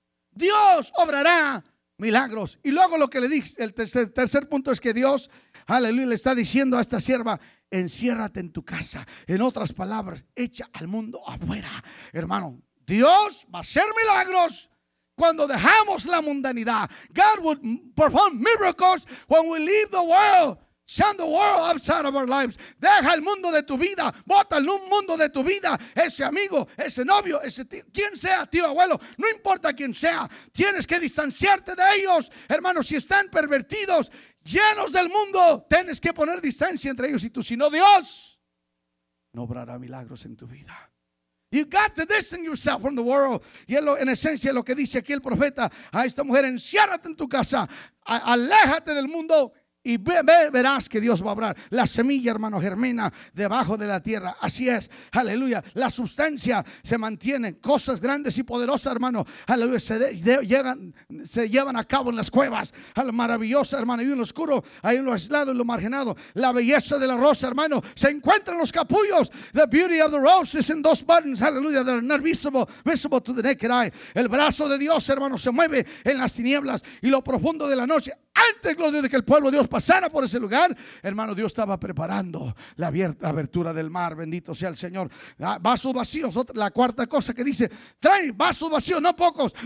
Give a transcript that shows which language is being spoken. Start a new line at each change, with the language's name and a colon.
Spanish: Dios obrará milagros. Y luego lo que le dice, el tercer punto es que Dios, aleluya, le está diciendo a esta sierva, enciérrate en tu casa. En otras palabras, echa al mundo afuera. Hermano, Dios va a hacer milagros cuando dejamos la mundanidad.
English: God would perform miracles when we leave the world. Send the world outside of our lives.
Spanish: Deja el mundo de tu vida. Bota el mundo de tu vida. Ese amigo, ese novio, ese tío, quien sea, tío, abuelo, no importa quién sea. Tienes que distanciarte de ellos, hermanos. Si están pervertidos, llenos del mundo, tienes que poner distancia entre ellos y tú. Si no, Dios no obrará milagros en tu vida.
English: You got to distance yourself from the world.
Spanish: Y es lo, en esencia, lo que dice aquí el profeta a esta mujer: enciérrate en tu casa, aléjate del mundo. Y verás que Dios va a obrar. La semilla, hermano, germina debajo de la tierra. Así es, aleluya. La sustancia se mantiene. Cosas grandes y poderosas, hermano, aleluya, se llevan a cabo en las cuevas. Maravillosa, hermano. Y en lo oscuro, ahí en lo aislado, en lo marginado. La belleza de la rosa, hermano, se encuentra en los capullos.
English: The beauty of the rose is in those buttons, aleluya, that are not visible to the naked eye.
Spanish: El brazo de Dios, hermano, se mueve en las tinieblas y lo profundo de la noche. Antes, gloria, de que el pueblo de Dios pasara por ese lugar, hermano, Dios estaba preparando la abertura del mar. Bendito sea el Señor. Vasos vacíos, la cuarta cosa que dice: trae vasos vacíos, no pocos.